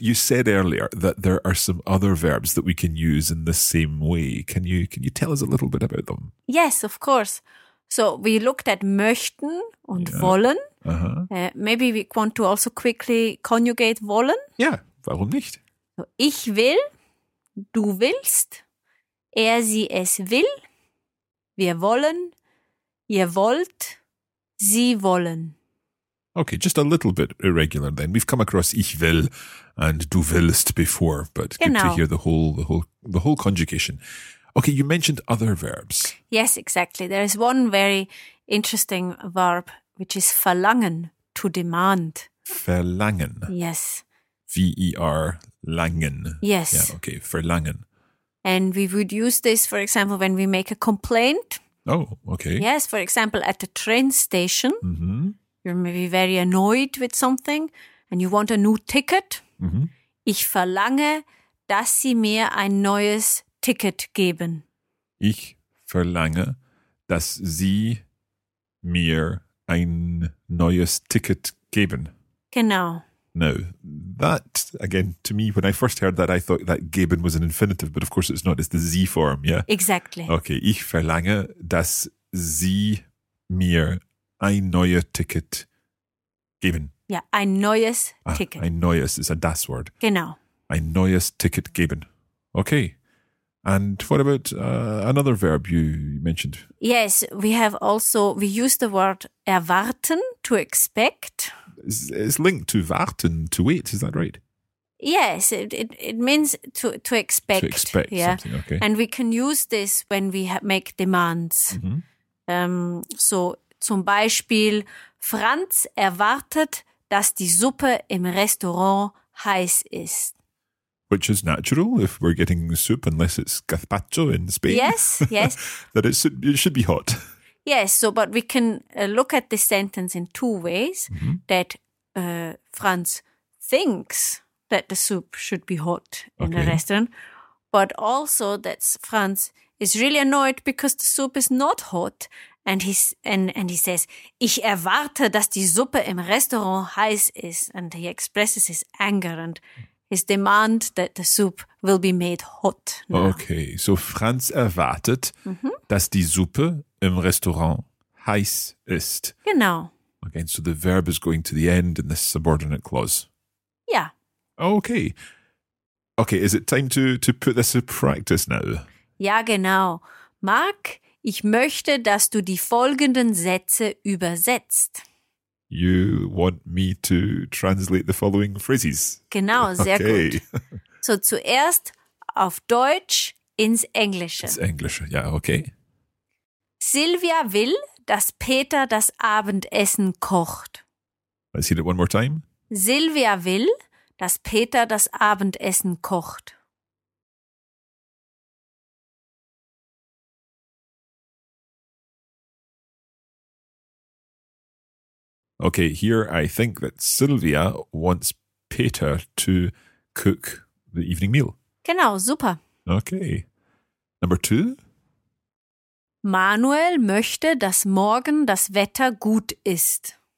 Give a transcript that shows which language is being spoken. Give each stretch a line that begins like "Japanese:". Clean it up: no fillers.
English: You said earlier that there are some other verbs that we can use in the same way. Can you tell us a little bit about them? Yes, of course. So we looked at möchten und wollen. Uh-huh. Maybe we want to also quickly conjugate wollen. Yeah,
German: warum nicht? So ich will, du willst, er, sie, es will, wir wollen, ihr wollt, sie wollen.
English: Okay, just a little bit irregular then. We've come across ich will and du willst before, but
German: genau.
English: Good to hear the whole conjugation. Okay, you mentioned other verbs. Yes, exactly. There is one very interesting verb, which is verlangen, to demand.
German: Verlangen.
English: Yes.
German: V-E-R-langen.
English: Yes. Yeah, okay, verlangen. And we would use this, for example, when we make a complaint. Oh, okay. Yes, for example, at the train station, You're maybe very annoyed with something and you want a new ticket. Mm-hmm.
German: Ich verlange, dass sie mir ein neues Ticket geben. Ich verlange, dass sie mir ein neues Ticket geben. Genau.
English: Now, that, again, to me, when I first heard that, I thought that geben was an infinitive, but of course it's not. It's the sie form, yeah? Exactly.
German: Okay, ich verlange, dass sie mir ein neues Ticket geben.
English: Yeah,
German: ein neues Ticket. Ein neues
English: is a das word.
German: Genau. Ein neues Ticket geben. Okay.
English: And what about another verb you mentioned? Yes, we have also, we use the word erwarten, to expect. It's linked to warten, to wait, is that right? Yes, it means to expect. To expect, yeah, something, okay. And we can use this when we make demands. Mm-hmm.
German: So zum Beispiel, Franz erwartet, dass die Suppe im Restaurant heiß ist.
English: Which is natural if we're getting soup, unless it's gazpacho in Spain. Yes, yes. That it should be hot. Yes, so but we can look at this sentence in two ways. Mm-hmm. That Franz thinks that the soup should be hot in the restaurant, but also that Franz is really annoyed because the soup is not hot. And he says,
German: ich erwarte, dass die Suppe im Restaurant heiß ist.
English: And he expresses his anger and his demand that the soup will be made hot now. Okay, so
German: Franz erwartet,
English: mm-hmm.
German: dass die Suppe im Restaurant heiß ist. Genau.
English: Okay, so the verb is going to the end in this subordinate clause. Yeah. Okay. Okay, is it time to put this in practice now?
German: Ja, genau. Mark, ich möchte, dass du die folgenden Sätze übersetzt.
English: You want me to translate the following phrases?
German: Genau, sehr okay. gut. So zuerst auf Deutsch ins Englische. Ins Englische, ja, okay. Silvia will, dass Peter das Abendessen kocht.
English: I see it one more time.
German: Silvia will, dass Peter das Abendessen kocht.
English: Okay, here I think that Sylvia wants Peter to cook the evening meal.
German: Genau, super.
English: Okay. Number two.
German: Manuel möchte, dass morgen das Wetter gut ist.